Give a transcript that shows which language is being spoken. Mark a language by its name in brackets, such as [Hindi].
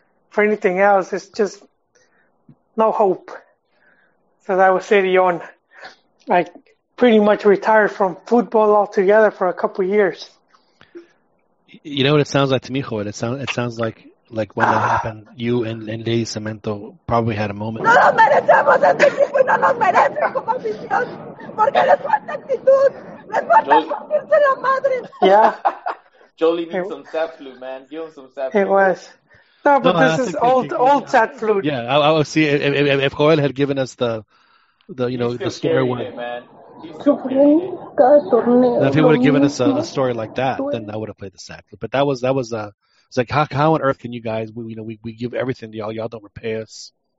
[English] For anything else, it's just no hope. So that was City on. I pretty much retired from football altogether for a couple of years. You know what it sounds like to me, Joel? It sounds like when that happened, you and Lady Cemento probably had a moment. [Spanish] No nos merecemos este equipo y no nos merecen como afición porque les falta actitud. Les falta partirse la madre. [English] Yeah. Jolie needs some sad flute, man. Give him some sad flute. It was. No, but no, this is old sad flute. Yeah, I'll see if Joel had given us the you know, the square one. Now, if he would have given us a story like that, then I would have played the sack. But that was it's like how on earth can you guys we give everything to y'all don't repay us.